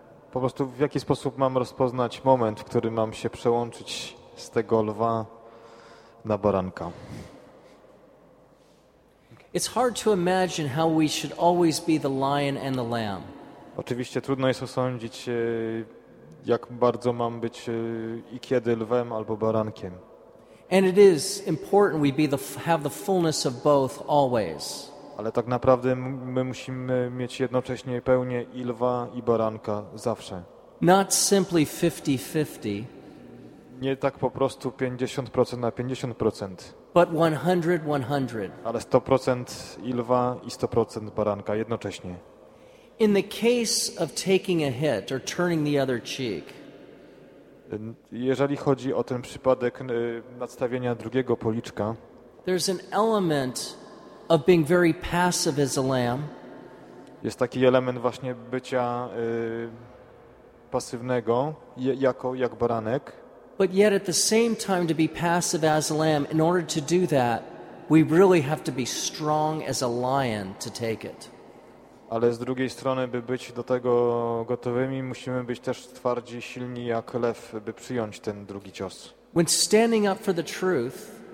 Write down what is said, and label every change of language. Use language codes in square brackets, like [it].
[pl] Po prostu w jaki sposób mam rozpoznać moment, w którym mam się przełączyć z tego lwa na baranka? [en] It's hard to imagine how we should always be the lion and the lamb. [pl] Oczywiście trudno jest osądzić, jak bardzo mam być i kiedy lwem albo barankiem. [en] And it is important we be the have the fullness of both always. [pl] Ale tak naprawdę my musimy mieć jednocześnie pełnię i lwa, i baranka zawsze. [en] Not simply 50-50. [pl] nie tak po prostu 50% na 50%. [en] But 100-100. [pl] Ale 100% i lwa i 100% baranka jednocześnie. [en] In the case of taking a hit or turning the other cheek. [pl] Jeżeli chodzi o ten przypadek nadstawienia drugiego policzka. [en] There's an element of being very passive as a lamb. [pl] Jest taki element właśnie bycia pasywnego jak baranek. [en] But yet at the same time to be passive as a lamb, in order to do that, we really have to be strong as a lion to take it. [pl] Ale z drugiej strony, by być do tego gotowymi, musimy być też twardzi, silni jak lew, by przyjąć ten drugi cios. [en] When standing up for the truth,